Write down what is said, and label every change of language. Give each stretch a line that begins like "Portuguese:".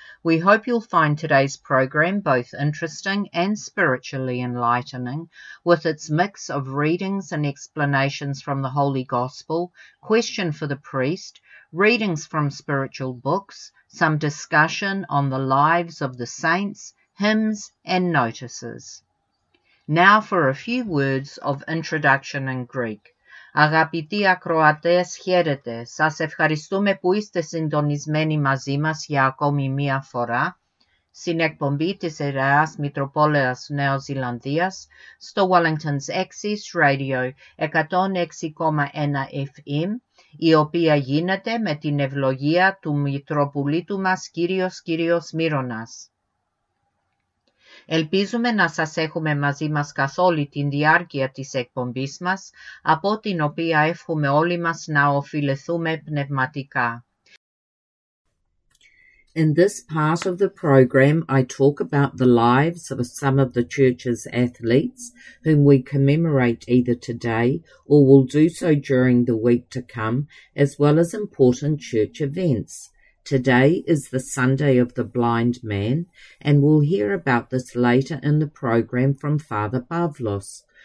English: We hope you'll find today's program both interesting and spiritually enlightening, with its mix of readings and explanations from the Holy Gospel, question for the priest, readings from spiritual books, some discussion on the lives of the saints, hymns, and notices. Now for a few words of introduction in Greek.
Greek: Αγαπητοί ακροατές, χαίρετε. Σας ευχαριστούμε που είστε συντονισμένοι μαζί μας για ακόμη μία φορά στην εκπομπή της Ιερέας Μητροπόλεως Νέος Ζηλανδίας στο Wellington's Access Radio 106,1 FM, η οποία γίνεται με την ευλογία του Μητροπολίτου μας κύριος Μύρονας. Ελπίζουμε να σας έχουμε μαζί μας καθ' όλη την διάρκεια της εκπομπής μας, από την οποία εύχομαι όλοι μας να οφειλεθούμε πνευματικά.
English: In this part of the program, I talk about the lives of some of the Church's athletes, whom we commemorate either today or will do so during the week to come, as well as important Church events. Today is the Sunday of the blind man, and we'll hear about this later in the program from Father Pavlos.